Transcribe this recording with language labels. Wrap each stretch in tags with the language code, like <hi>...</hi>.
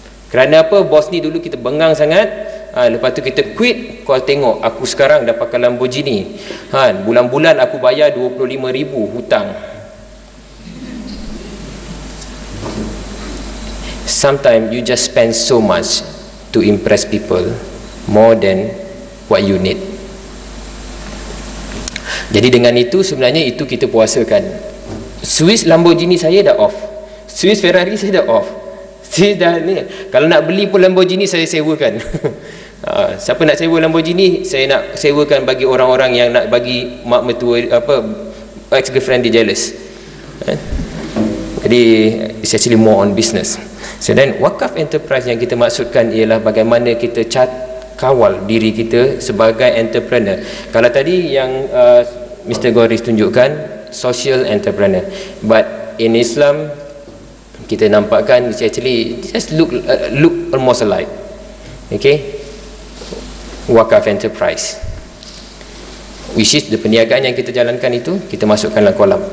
<ms>Kerana apa? Boss ni dulu kita bengang sangat. Lepas tu kita quit, kau tengok aku sekarang dah pakai Lamborghini. Bulan-bulan aku bayar 25,000 hutang.</ms> <en>Sometimes you just spend so much to impress people more than what you need.</en> <ms>Jadi dengan itu sebenarnya itu kita puasakan. Swiss Lamborghini saya dah off. Swiss Ferrari saya dah off. Swiss dah ni. Kalau nak beli pun Lamborghini saya sewakan. Siapa nak sewa Lamborghini, saya nak sewakan bagi orang-orang yang nak bagi mak mertua apa ex girlfriend dia jealous.</ms> <en>Jadi it's actually more on business.</en> <ms>So then wakaf enterprise yang kita maksudkan ialah bagaimana kita kawal diri kita sebagai entrepreneur. Kalau tadi yang Mr.</ms> <en>Goris tunjukkan social entrepreneur, but in Islam</en> <ms>kita nampakkan</ms> <en>it's actually just look almost alike.</en> <ms>Okay, wakaf enterprise, which is the perniagaan yang kita jalankan itu, kita masukkan dalam kolam.</ms>